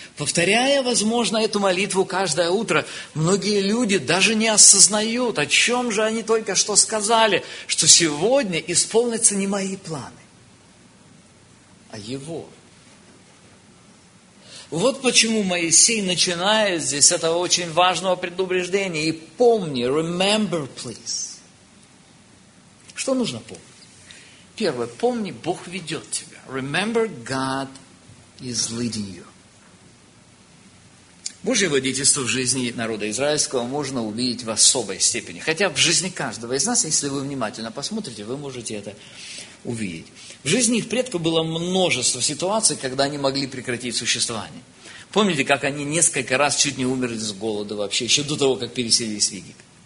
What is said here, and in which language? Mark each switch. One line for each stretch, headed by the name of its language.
Russian: Повторяя, возможно, эту молитву каждое утро, многие люди даже не осознают, о чем же они только что сказали, что сегодня исполнятся не мои планы, а Его. Вот почему Моисей начинает здесь этого очень важного предупреждения. И помни, remember, please. Что нужно помнить? Первое, помни, Бог ведет тебя.
English: Remember, God is leading you.
Russian: Божье водительство в жизни народа израильского можно увидеть в особой степени. Хотя в жизни каждого из нас, если вы внимательно посмотрите, вы можете это увидеть. В жизни их предков было множество ситуаций, когда они могли прекратить существование. Помните, как они несколько раз чуть не умерли с голода вообще, еще до того, как переселились в Египет.